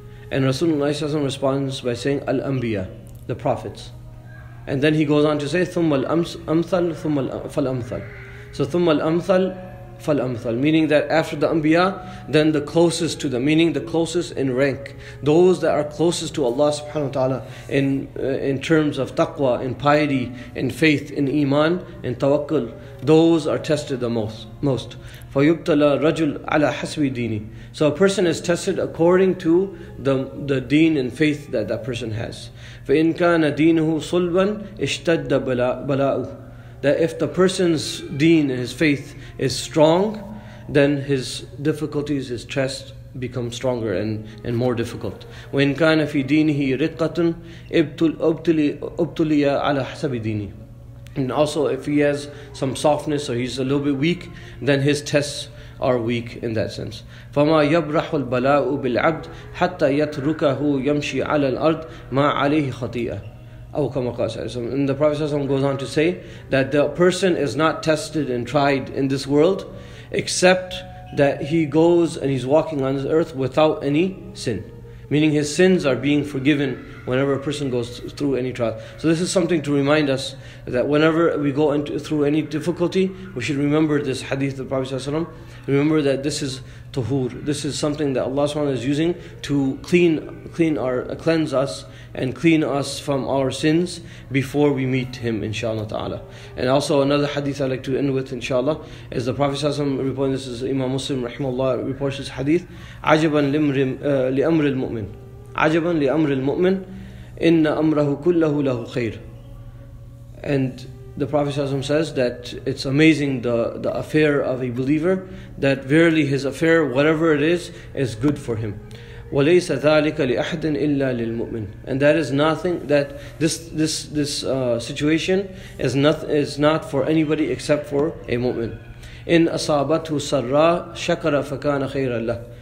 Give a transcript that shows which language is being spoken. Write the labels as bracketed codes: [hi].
[en] And Rasulullah responds by saying, Al-Anbiya, the Prophets. And then he goes on to say, [ar] ثُمَّ الْأَمْثَلْ ثُمَّ فَالْأَمْثَلْ. So, ثُمَّ الْأَمْثَلْ فَالْأَمْثَلْ. [en] Meaning that after the Anbiya, then the closest to them, meaning the closest in rank, those that are closest to Allah subhanahu wa ta'ala in terms of taqwa, in piety, in faith, in iman, in tawakkul, those are tested the most. [ar] فَيُبْتَلَى رَجُلْ عَلَى حَسْبِ دِينِ. [en] So a person is tested according to the deen and faith that person has. [ar] فَإِنْ كَانَ دِينُهُ صُلْبًا اشْتَدَّ بَلَاءُهُ. [en] That if the person's deen, his faith, is strong, then his difficulties, his test, become stronger and more difficult. [ar] وإن كان في دينه رقة ابتلي على حسب ديني. [en] And also if he has some softness or he's a little bit weak, then his tests are weak in that sense. [ar] فما يبرح البلاء بالعبد حتى يتركه يمشي على الأرض ما عليه خطيئة. أو كما قال صلى الله عليه وسلم. [en] And the Prophet ﷺ goes on to say that the person is not tested and tried in this world except that he goes and he's walking on this earth without any sin. Meaning his sins are being forgiven whenever a person goes through any trial. So this is something to remind us that whenever we go through any difficulty, we should remember this hadith of the Prophet ﷺ. Remember that this is tuhur. This is something that Allah ﷻ is using to cleanse us and clean us from our sins before we meet Him, inshallah ta'ala. And also another hadith I'd like to end with, inshallah, is the Prophet ﷺ reporting, this is Imam Muslim, rahimahullah, reports this hadith, [ar] عَجَبًا لِأَمْرِ الْمُؤْمِنِ عَجَبًا لِأَمْرِ الْمُؤْمِنِ إِنَّ أَمْرَهُ كُلَّهُ لَهُ خَيْرٌ. [en] And the Prophet ﷺ says that it's amazing the affair of a believer, that verily his affair, whatever it is good for him. [ar] وليس ذلك لأحد إلا للمؤمن. [en] And that is nothing, that this situation is not for anybody except for a mu'min. [ar] إن أصابته سرا شكر فكان خيرا له.